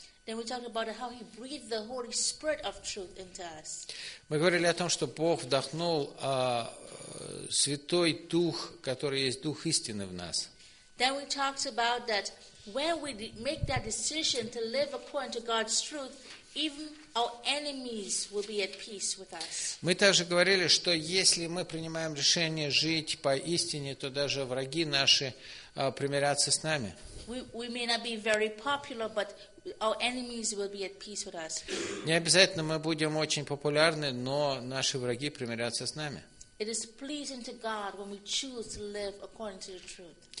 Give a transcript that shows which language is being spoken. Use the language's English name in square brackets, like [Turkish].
[English] Then we talked about how He breathed the Holy Spirit of truth into us. [Russian] Мы говорили о том, что Бог вдохнул Святой Дух, который есть Дух истины в нас. [English] Then we talked about that when we make that decision to live according to God's truth, even our enemies will be at peace with us. [Russian] Мы также говорили, что если мы принимаем решение жить по истине, то даже враги наши примирятся с нами. [English] We may not be very popular, but our enemies will be at peace with us. [Russian] Не обязательно мы будем очень популярны, но наши враги примирятся с нами. [English] It is pleasing to God when we choose to live according to the truth.